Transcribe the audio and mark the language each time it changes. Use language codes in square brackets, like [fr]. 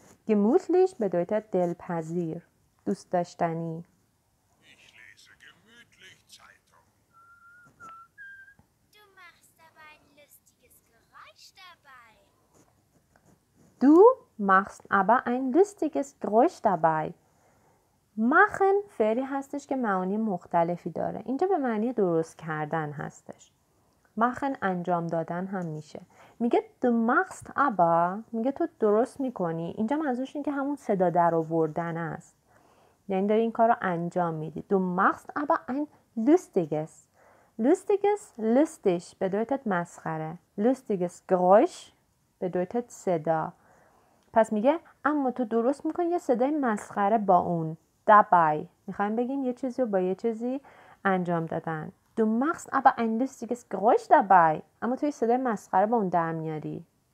[de] Gemütlich bedeutet [fa] delpazir, dust dashtani. [de] Ich lese gemütlich Zeitung. Du machst aber ein lustiges Geräusch dabei. Du machst aber ein lustiges Geräusch dabei. [fa] Machen فعلی هستش که معانی مختلفی داره. اینجا به معنی درست کردن هستش. Machen انجام دادن هم میشه. میگه [de] du machst aber، [fa] میگه تو درست میکنی. اینجا منظورش این که همون صدا در آوردن است. یعنی داری این کار رو انجام میدی. [de] Du machst aber ein lustiges. Lustiges lustig bedeutet مسخره. Lustiges Geräusch bedeutet صدا. [fa] پس میگه اما تو درست میکنی یه صدای مسخره با اون. [de] Dabei. [fa] میخوایم بگیم یه چیزی رو با یه چیزی انجام دادن. [de] Du machst aber ein lustiges Geräusch dabei. [fa] اما توی صدای مسخره با اون در میاری.